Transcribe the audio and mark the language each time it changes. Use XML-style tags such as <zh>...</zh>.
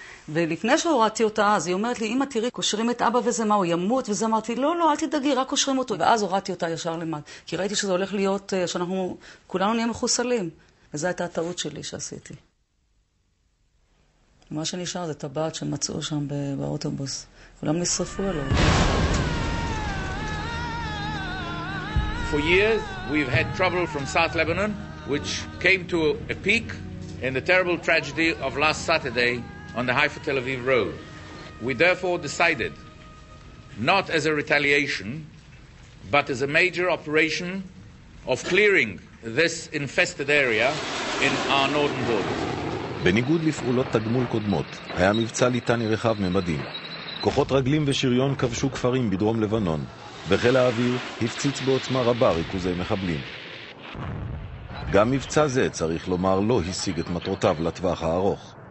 <he>ולפני שהורדתי אותה, אז היא אומרת לי, אמא תראי, קושרים את אבא וזה מה, הוא ימות, וזה אמרתי, לא, לא, אל תדאגי, רק קושרים אותו. ואז הורדתי אותה ישר למד, כי ראיתי שזה הולך להיות, שאנחנו, כולנו נהיה מחוסלים. וזו הייתה הטעות שלי שעשיתי. מה שנשאר זה טבעת שמצאו שם באוטובוס. כולם נשרפו עליו.</he> <en>For years, we've had trouble from South Lebanon, which came to a peak in the terrible tragedy of last Saturday on the Haifa Tel Aviv road. We therefore decided, not as a retaliation, but as a major operation of clearing this infested area in our northern borders.</en> <he>בניגוד לפעולות תגמול קודמות, היה מבצע ליטני רחב ממדים. כוחות רגלים ושריון כבשו כפרים בדרום לבנון, וחיל האוויר הפציץ בעוצמה רבה ריכוזי מחבלים. גם מבצע זה, צריך לומר, לא השיג את מטרותיו לטווח הארוך.</he>